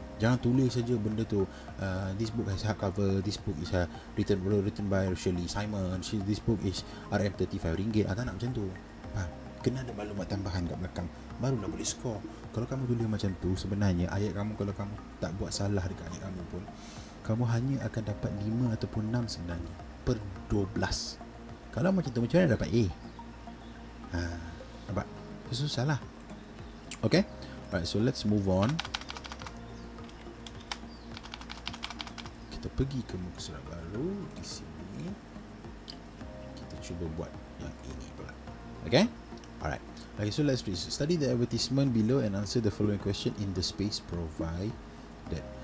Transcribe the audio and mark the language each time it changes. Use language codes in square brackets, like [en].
[ms] Jangan tulis saja benda tu [en] this book has hardcover, this book is written by Shirley Simon, this book is RM35. [ms] Tak nak macam tu. Faham? Kena ada maklumat tambahan kat belakang barulah boleh skor. Kalau kamu tulis macam tu, sebenarnya ayat kamu, kalau kamu tak buat salah dekat ayat kamu pun, kamu hanya akan dapat 5 ataupun 6 sebenarnya per 12. Kalau macam tu, macam mana dapat A? Ha, nampak? Susah lah. [en] Okay, alright, so let's move on. [ms] Kita pergi ke muka surat baru. Di sini kita cuba buat yang ini pula. [en] Okay, alright, okay, so let's please study the advertisement below and answer the following question in the space provided.